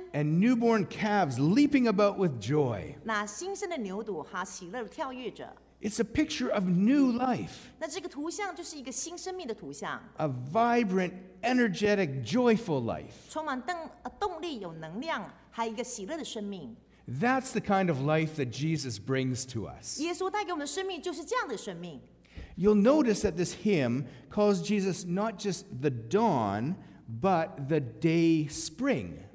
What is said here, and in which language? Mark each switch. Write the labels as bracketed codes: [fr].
[en] and newborn calves leaping about with joy. [zh] 那新生的牛犊哈喜乐跳跃着。 [en] It's a picture of new life. [zh] 那这个图像就是一个新生命的图像。 [en] A vibrant, energetic, joyful life. [zh] 充满动力，有能量， 还有一个喜乐的生命。 [en] That's the kind of life that Jesus brings to us. [zh] 耶稣带给我们的生命就是这样的生命。 [en] You'll notice that this hymn calls Jesus not just the dawn, but the day spring.